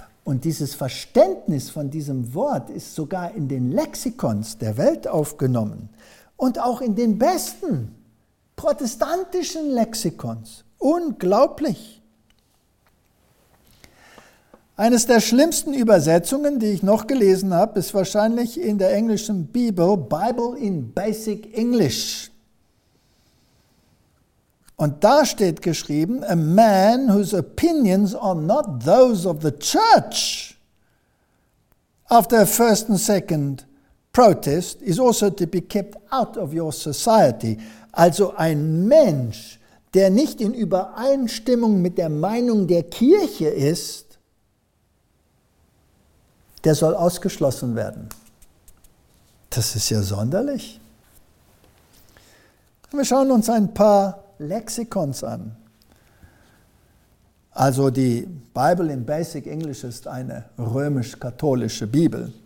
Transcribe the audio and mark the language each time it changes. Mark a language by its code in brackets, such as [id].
[de] Und dieses Verständnis von diesem Wort ist sogar in den Lexikons der Welt aufgenommen und auch in den besten protestantischen Lexikons. Unglaublich. Eines der schlimmsten Übersetzungen, die ich noch gelesen habe, ist wahrscheinlich in der englischen Bibel, Bible in Basic English. Und da steht geschrieben, [en] a man whose opinions are not those of the church after a first and second protest is also to be kept out of your society. [de] Also ein Mensch, der nicht in Übereinstimmung mit der Meinung der Kirche ist, der soll ausgeschlossen werden. Das ist ja sonderlich. Wir schauen uns ein paar Lexikons an. Also die Bible in Basic English ist eine römisch-katholische Bibel.